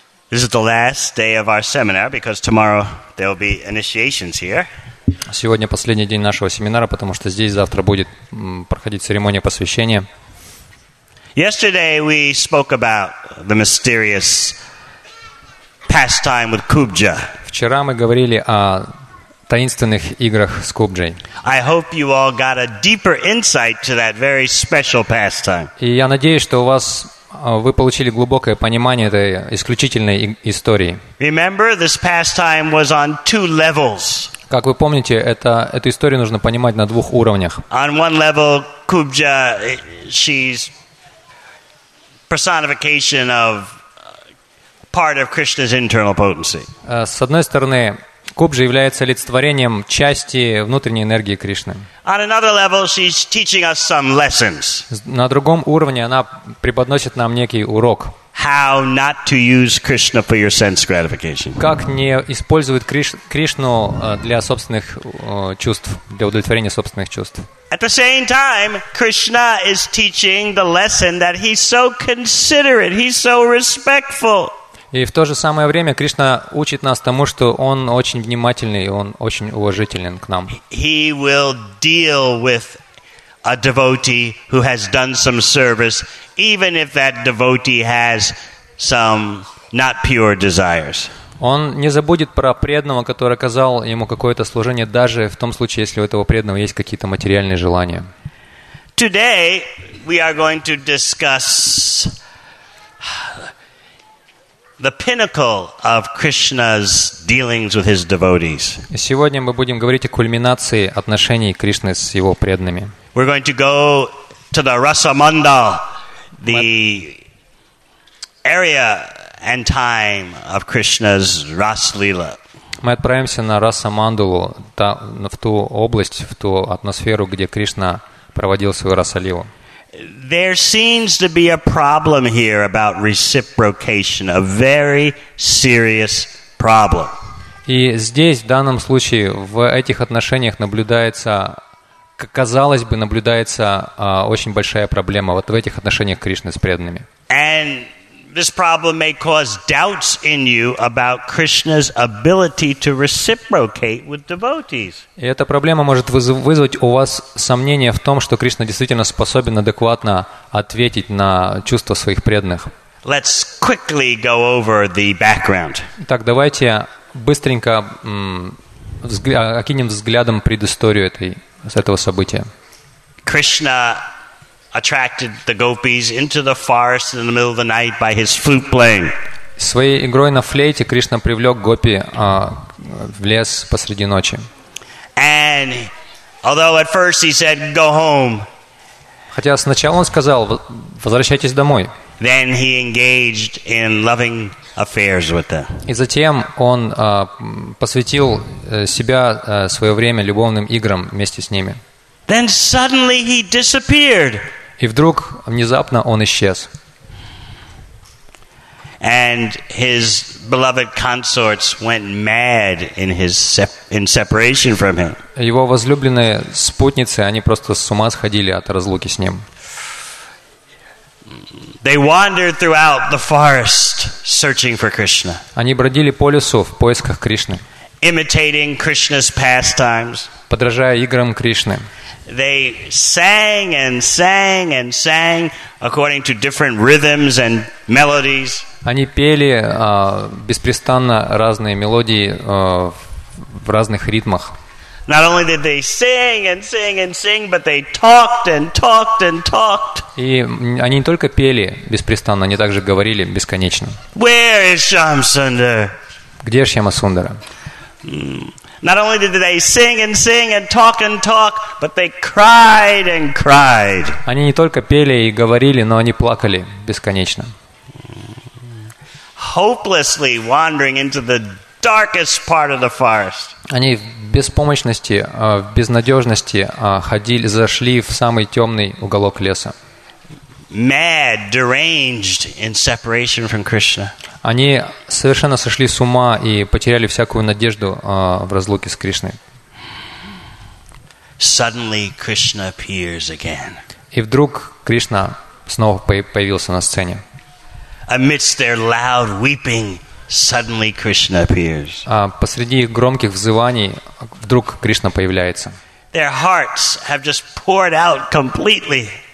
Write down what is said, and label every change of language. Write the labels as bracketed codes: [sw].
[en] This is the last day of our seminar because tomorrow there will be initiations here. [ru] Сегодня последний день нашего семинара, потому что здесь завтра будет проходить церемония посвящения. [en] Yesterday we spoke about the mysterious pastime with Kubja. [ru] Вчера мы говорили о таинственных играх с Кубджей. [en] I hope you all got a deeper insight to that very special pastime. [ru] И я надеюсь, что у вас вы получили глубокое понимание этой исключительной истории. [en] Remember, this pastime was on two levels. [ru] Как вы помните, эту историю нужно понимать на двух уровнях. [en] On one level, Kubja, she's personification of part of Krishna's internal potency. [ru] С одной стороны, Кубджа является олицетворением части внутренней энергии Кришны. [en] On another level, she's teaching us some lessons. [ru] На другом уровне она преподносит нам некий урок. [en] How not to use Krishna for your sense gratification. [ru] Как не использовать Кришну для собственных чувств, для удовлетворения собственных чувств. [en] At the same time, Krishna is teaching the lesson that he's so considerate, he's so respectful. [ru] И в то же самое время Кришна учит нас тому, что Он очень внимательный и Он очень уважителен к нам. [en] He will deal with a devotee who has done some service, even if that devotee has some not pure desires. [ru] Он не забудет про преданного, который оказал ему какое-то служение, даже в том случае, если у этого преданного есть какие-то материальные желания. [en] Today we are going to discuss the pinnacle of Krishna's dealings with his devotees. [ru] Сегодня мы будем говорить о кульминации отношений Кришны с его преданными. [en] We're going to go to the Rasamandal, the area and time of Krishna's Rasa-lila. [ru] Мы отправимся на Расамандалу, в ту область, в ту атмосферу, где Кришна проводил свою Расалилу. [en] There seems to be a problem here about reciprocation, a very serious problem. [ru] И здесь, в данном случае, в этих отношениях наблюдается, казалось бы, наблюдается очень большая проблема вот в этих отношениях Кришны с преданными. [en] And this problem may cause doubts in you about Krishna's ability to reciprocate with devotees. [ru] И эта проблема может вызвать у вас сомнения в том, что Кришна действительно способен адекватно ответить на чувства своих преданных. [en] Let's quickly go over the background. [ru] Так, давайте быстренько окинем взглядом предысторию этого события. [en] Krishna attracted the gopis into the forest in the middle of the night by his flute playing. [ru] Своей игрой на флейте Кришна привлёк гопи в лес посреди ночи. [en] And although at first he said go home. [ru] Хотя сначала он сказал возвращайтесь домой. [en] Then he engaged in loving affairs with them. [ru] И затем он посвятил себя своё время любовным играм вместе с ними. [en] Then suddenly he disappeared. [ru] И вдруг, внезапно, он исчез. [en] And his beloved consorts went mad in his separation from him. [ru] Его возлюбленные спутницы, они просто с ума сходили от разлуки с ним. [en] They wandered throughout the forest searching for Krishna. [ru] Они бродили по лесу в поисках Кришны. [en] Imitating Krishna's pastimes. [ru] Подражая играм Кришны. [en] They sang and sang and sang according to different rhythms and melodies. [ru] Они пели беспрестанно разные мелодии в разных ритмах. [en] Not only did they sing and sing and sing, but they talked and talked and talked. [ru] И они не только пели беспрестанно, они также говорили бесконечно. [en] Where is Shyamasundar? [ru] Где же Шьямасундара? [en] Not only did they sing and sing and talk, but they cried and cried. [ru] Они не только пели и говорили, но они плакали бесконечно. [en] Hopelessly wandering into the darkest part of the forest. [ru] Они в беспомощности, в безнадежности ходили, зашли в самый темный уголок леса. [en] Mad, deranged in separation from Krishna. [ru] Они совершенно сошли с ума и потеряли всякую надежду в разлуке с Кришной. [en] Suddenly Krishna appears again. [ru] И вдруг Кришна снова появился на сцене. [en] Amidst their loud weeping, suddenly Krishna appears. [ru] Посреди их громких взываний вдруг Кришна появляется. [en] Their hearts have just poured out completely.